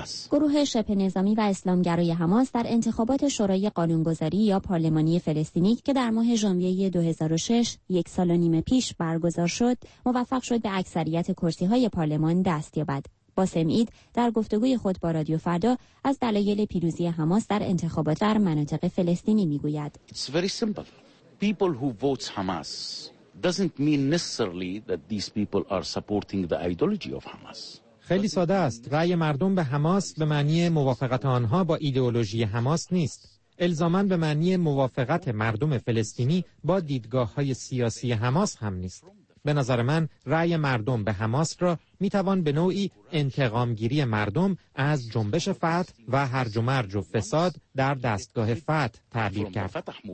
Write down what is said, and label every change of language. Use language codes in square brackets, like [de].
[fa] گروه شبه نظامی و اسلامگرای حماس در انتخابات شورای قانونگذاری یا پارلمانی فلسطینی که در ماه ژانویه 2006 یک سال و نیم پیش برگزار شد موفق شد به اکثریت کرسی‌های پارلمان دست یابد. باسم عید در گفتگوی خود با رادیو فردا از دلایل پیروزی حماس در انتخابات در مناطق فلسطینی میگوید. [en] It's very simple. People who vote Hamas doesn't mean necessarily that these people are supporting the ideology of Hamas. [fa] خیلی ساده است. رأی مردم به حماس به معنی موافقت آنها با ایدئولوژی حماس نیست. الزاماً به معنی موافقت مردم فلسطینی با دیدگاه‌های سیاسی حماس هم نیست. به نظر من رأی مردم به حماس را میتوان به نوعی انتقامگیری مردم از جنبش فتح و هرج و مرج و فساد در دستگاه فتح تعبیر کرد.